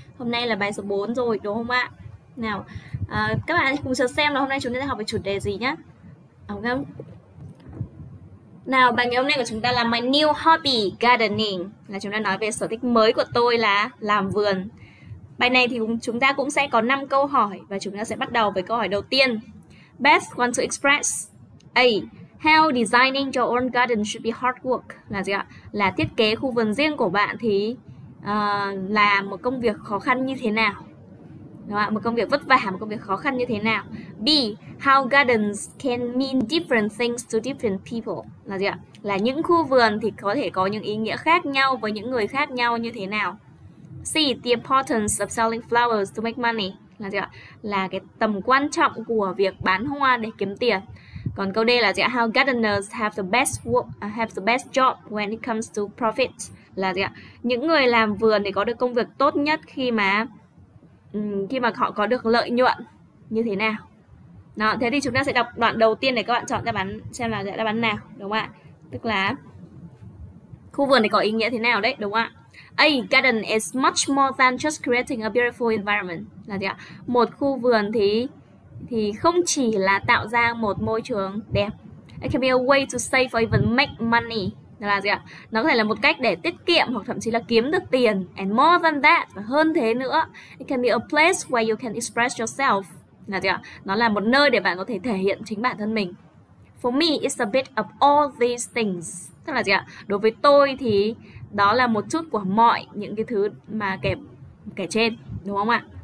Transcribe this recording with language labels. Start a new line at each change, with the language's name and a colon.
Vietnamese: Hôm nay là bài số 4 rồi, đúng không ạ? Nào, các bạn cùng chờ xem là hôm nay chúng ta sẽ học về chủ đề gì nhé. Đúng không? Nào, bài ngày hôm nay của chúng ta là
English: My New Hobby Gardening.
Vietnamese: Là chúng ta nói về sở thích mới của tôi là làm vườn. Bài này thì chúng ta cũng sẽ có 5 câu hỏi và chúng ta sẽ bắt đầu với câu hỏi đầu tiên.
English: Beth wants to express A. How designing your own garden should be hard work.
Vietnamese: Là gì ạ? Là thiết kế khu vườn riêng của bạn thì là một công việc khó khăn như thế nào? Đúng không? Một công việc vất vả, một công việc khó khăn như thế nào?
English: B. How gardens can mean different things to different people.
Vietnamese: Là gì ạ? Là những khu vườn thì có thể có những ý nghĩa khác nhau với những người khác nhau như thế nào?
English: C. The importance of selling flowers to make money.
Vietnamese: Là gì ạ? Là cái tầm quan trọng của việc bán hoa để kiếm tiền. Còn câu D là gì ạ?
English: How gardeners have the best work, have the best job when it comes to profit.
Vietnamese: Là gì ạ? Những người làm vườn thì có được công việc tốt nhất khi mà họ có được lợi nhuận như thế nào? Đó, thế thì chúng ta sẽ đọc đoạn đầu tiên để các bạn chọn đáp án xem là đáp án nào, đúng không ạ? Tức là khu vườn này có ý nghĩa thế nào đấy, đúng không ạ?
English: A. Garden is much more than just creating a beautiful environment.
Vietnamese: Là gì ạ? Một khu vườn thì không chỉ là tạo ra một môi trường đẹp.
English: It can be a way to save or even make money.
Vietnamese: Là gì ạ? Nó có thể là một cách để tiết kiệm hoặc thậm chí là kiếm được tiền.
English: And more than that,
Vietnamese: và hơn thế nữa,
English: it can be a place where you can express yourself.
Vietnamese: Là gì ạ? Nó là một nơi để bạn có thể thể hiện chính bản thân mình.
English: For me, it's a bit of all these things.
Vietnamese: Tức là gì ạ? Đối với tôi thì đó là một chút của mọi những cái thứ mà kể trên, đúng không ạ?